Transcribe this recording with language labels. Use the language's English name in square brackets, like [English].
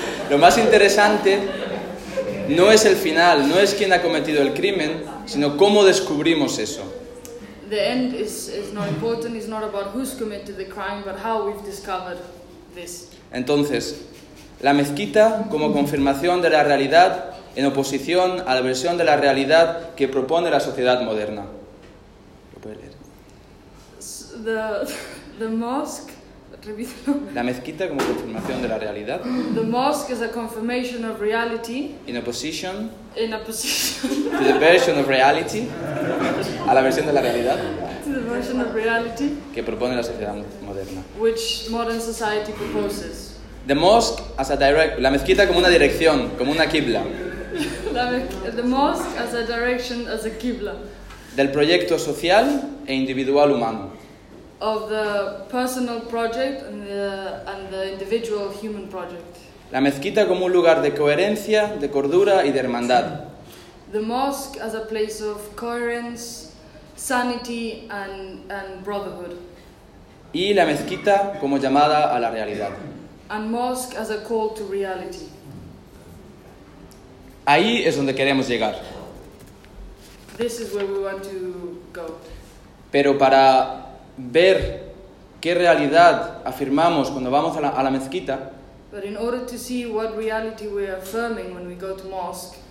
[Spanish] Lo más interesante no es el final, no es quién ha cometido el crimen, sino cómo descubrimos eso. [English] the end is not important. It's not about who's committed the crime, but how we've discovered this. [Spanish] Entonces, la mezquita como confirmación de la realidad en oposición a la versión de la realidad que propone la sociedad moderna. ¿Lo puedes leer? [English] The mosque. [Spanish] La mezquita como confirmación de la realidad. [English] The mosque is a confirmation of reality. In opposition. To the version of reality. [Spanish] A la versión de la realidad. [English] To the version of reality. [Spanish] Que propone la sociedad moderna. [English] Which modern society proposes. The mosque as a direct. [Spanish] La mezquita como una dirección, como una kibla. [English] The mosque as a direction, as a kibla. [Spanish] Del proyecto social e individual humano. [English] Of the personal project and the individual human project. [Spanish] La mezquita como un lugar de coherencia, de cordura y de hermandad. [English] The mosque as a place of coherence, sanity and brotherhood. [Spanish] Y la mezquita como llamada a la realidad. [English] And mosque as a call to reality. [Spanish] Ahí es donde queremos llegar. [English] This is where we want to go. [Spanish] Pero para ver qué realidad afirmamos cuando vamos a la mezquita. [English] But in order to see what reality we are affirming when we go to mosque.